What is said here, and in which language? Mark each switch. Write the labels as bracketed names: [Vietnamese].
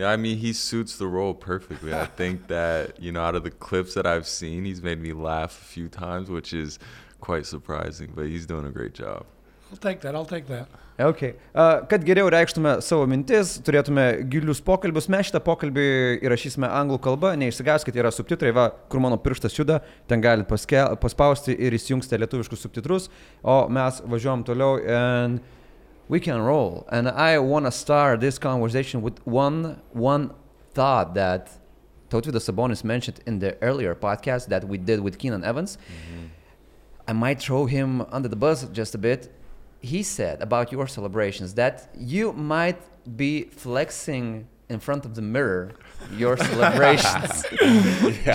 [English] Yeah, I mean, he suits the role perfectly. I think that, you know, out of the clips that I've seen, he's made me laugh a few times, which is quite surprising, but he's doing a great job. I'll take that. Okay. [Lithuanian] Kad geriau reikštume savo mintis, turėtume gilius pokalbius, mes šitą pokalbį įrašysime anglų kalbą, neišsigaskite, yra subtitrai, va, kur mano pirštas juda, ten galit paspausti ir įsijungsite lietuviškus subtitrus, o mes važiuojam toliau [English] and we can roll. And I want to start this conversation with one thought that Tautvydas Sabonis mentioned in the earlier podcast that we did with Keenan Evans. Mm-hmm. I might throw him under the bus just a bit. He said about your celebrations that you might be flexing in front of the mirror your celebrations. Yeah.